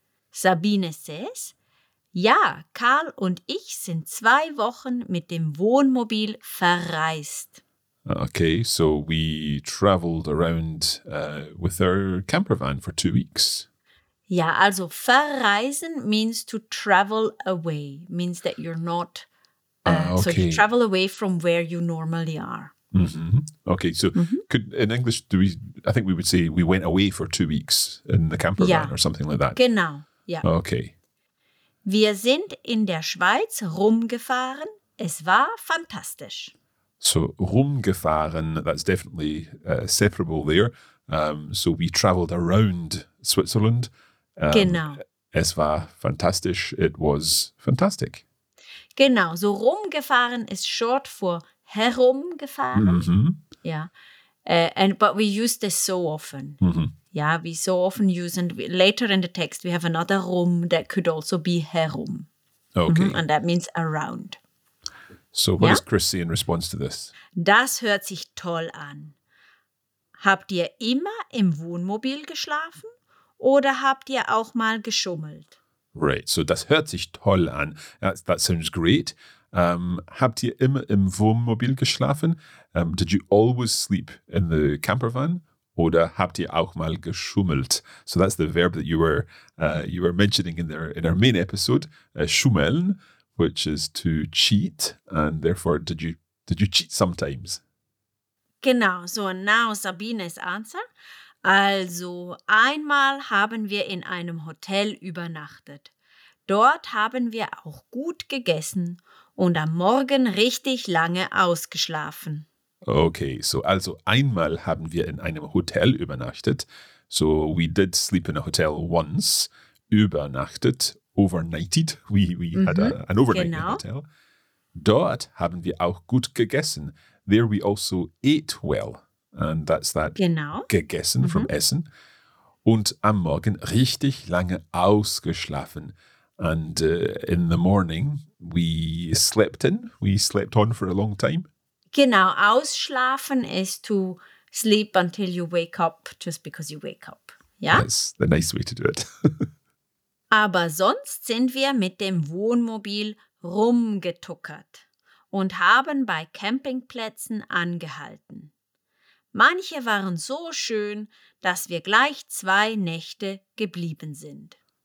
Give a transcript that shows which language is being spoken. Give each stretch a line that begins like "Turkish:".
English: Sabine says,
German: ja, Karl und ich sind 2 Wochen mit dem Wohnmobil verreist.
English: Okay, so we traveled around with our camper van for 2 weeks.
German: Ja, also
English: verreisen means to travel away, means that you're not, okay. So you travel away from where you normally are. Mm-hmm. Okay, so could in English, I think we would say we went away for 2 weeks in the camper van or something like that.
German: Genau, ja.
English: Okay.
German: Wir sind in der Schweiz rumgefahren, es war fantastisch.
English: So, rumgefahren, that's definitely separable there. So we travelled around Switzerland.
German: Genau. Es war fantastisch.
English: It was fantastic. Genau. So rumgefahren is short for herumgefahren. Mm-hmm. Yeah. But we use this so often. Mm-hmm. Yeah, we so often use, and later in the text we have another rum that could also be herum. Okay. Mm-hmm. And that means around. So what does Chris say in response to this?
German: Das hört sich toll an. Habt ihr immer im Wohnmobil geschlafen oder habt ihr auch mal geschummelt?
English: Right, so
German: das hört sich toll an.
English: That sounds great.
German: Habt ihr immer im Wohnmobil geschlafen?
English: Did you always sleep in the camper van?
German: Oder habt ihr auch mal geschummelt?
English: So that's the verb that you were mentioning in our main episode, schummeln, which is to cheat, and therefore did you cheat sometimes? Genau, so now Sabine's answer.
German: Also, einmal haben wir in einem Hotel übernachtet. Dort haben wir auch gut gegessen und am Morgen richtig lange ausgeschlafen.
English: Okay, so
German: also einmal haben wir in einem Hotel übernachtet.
English: So we did sleep in a hotel once. Übernachtet, overnighted. We mm-hmm. had an overnight in a hotel.
German: Dort haben wir auch gut gegessen.
English: There we also ate well. And that's that
German: gegessen mm-hmm. from essen. Und am Morgen richtig lange ausgeschlafen.
English: And in the morning we slept on for a long time. Genau, ausschlafen is to sleep until you wake up, just because you wake up. Yeah? That's the nice way to do it.
German: Aber sonst sind wir mit dem Wohnmobil rumgetuckert und haben bei Campingplätzen angehalten. Manche waren so schön, dass wir gleich zwei Nächte geblieben sind.